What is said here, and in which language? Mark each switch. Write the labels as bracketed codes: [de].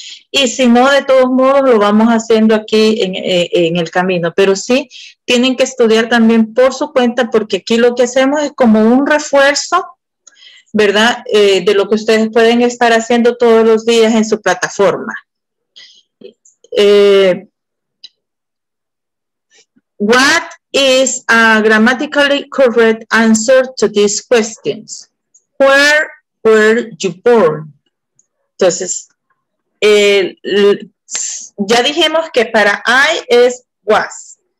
[es] Y si no, de todos modos, lo vamos haciendo aquí en el camino. Pero sí, tienen que estudiar también por su cuenta, porque aquí lo que hacemos es como un refuerzo, ¿verdad? De lo que ustedes pueden estar haciendo todos los días en su plataforma. [en] What is a grammatically correct answer to these questions? Where were you born? [es] Entonces, ya dijimos que para I es was.